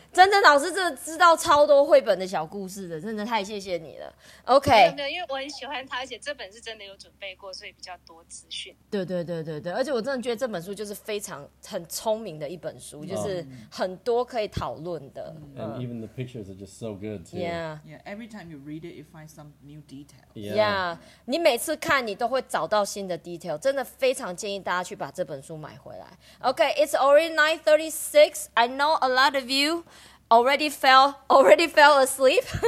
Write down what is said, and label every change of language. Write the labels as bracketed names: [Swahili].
[Chinese] 真的老师真的知道超多绘本的小故事的，真的太谢谢你了。 [English] OK. [Chinese] 没有，因为我很喜欢他，而且这本是真的有准备过，所以比较多资讯。对对对对对，而且我真的觉得这本书就是非常很聪明的一本书，就是很多可以讨论的。 [English] And even the pictures are just so good too. Yeah. Every time you read it, you find some new detail. Yeah. [Chinese] 你每次看，你都会找到新的 [English] detail. [Chinese] 真的非常建议大家去把这本书买回来。 [English] Okay, it's already 9:36. I know a lot of you already fell asleep.